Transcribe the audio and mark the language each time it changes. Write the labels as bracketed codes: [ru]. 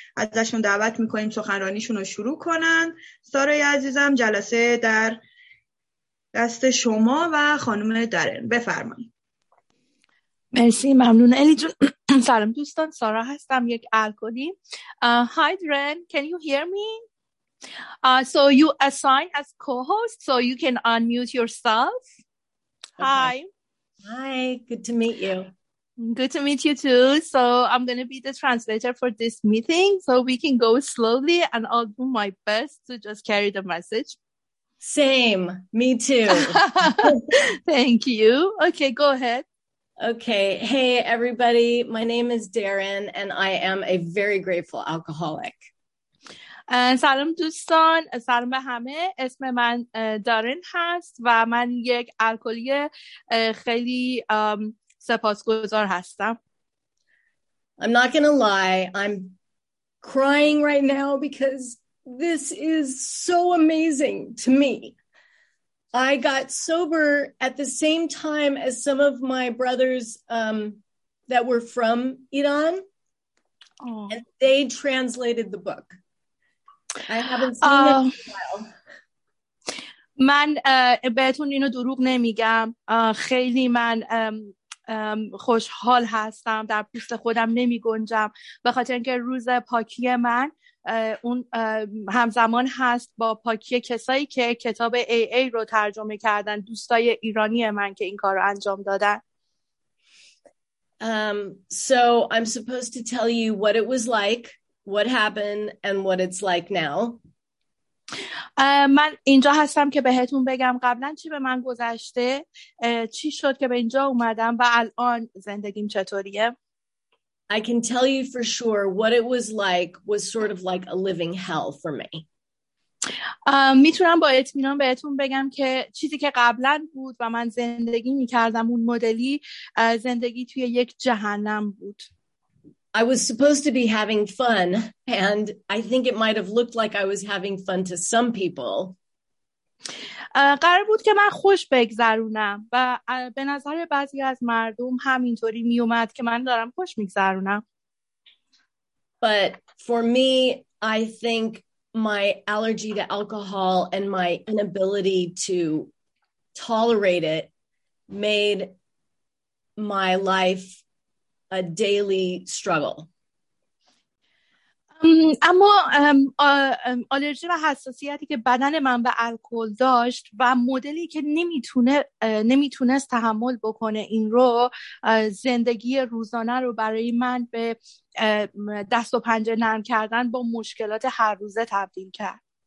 [fa] ازشون دعوت می کنیم سخنرانیشون رو شروع کنن. سارا عزیزم، جلسه در دست شما و خانم درن، بفرمایید. مرسی، ممنون الی جون. سلام دوستان، سارا هستم، یک الکلی. [en] Hi Dren, can you hear me? So you assign as co-host, so you can unmute yourself. Hi. Hi, good to meet you. Good to meet you too. So I'm going to be the translator for this meeting, so we can go slowly and I'll do my best to just carry the message. Same, me too. Thank you. Okay, go ahead. Okay. Hey, everybody. My name is Darren, and I am a very grateful alcoholic. [fa] سلام دوستان. سلام به همه. اسم من دارن هست و من یک الکلی خیلی سپاسگزار هستم. [en] I'm not going to lie. I'm crying right now because this is so amazing to me. I got sober at the same time as some of my brothers that were from Iran. Oh. And they translated the book. I haven't seen it in a while. [fa] من بهتون اینو دروغ نمیگم. خیلی من خوشحال هستم. در پوست خودم نمی گنجم. به خاطر اینکه روز پاکی من اون همزمان هست با پاکی کسایی که کتاب AA رو ترجمه کردن، دوستای ایرانی من که این کار رو انجام دادن. [en] So I'm supposed to tell you what it was like, what happened, and what it's like now. [fa] من اینجا هستم که بهتون بگم قبلن چی به من گذشته، چی شد که به اینجا اومدم و الان زندگیم چطوریه. [en] I can tell you for sure what it was like was sort of like a living hell for me. [fa] میتونم با اطمینان بهتون بگم که چیزی که قبلا بود و من زندگی میکردم اون مدلی زندگی توی یک جهنم بود. [en] I was supposed to be having fun and I think it might have looked like I was having fun to some people. [fa] قرار بود که من خوش بگذرونم و به نظر بعضی از مردم همینطوری می اومد که من دارم خوش میگذرونم. [en] But for me, I think my allergy to alcohol and my inability to tolerate it made my life a daily struggle. [fa] اما آلرژی و حساسیتی که بدن من به الکل داشت و مدلی که نمیتونست تحمل بکنه این رو، زندگی روزانه رو برای من به دست و پنجه نرم کردن با مشکلات هر روزه تبدیل کرد.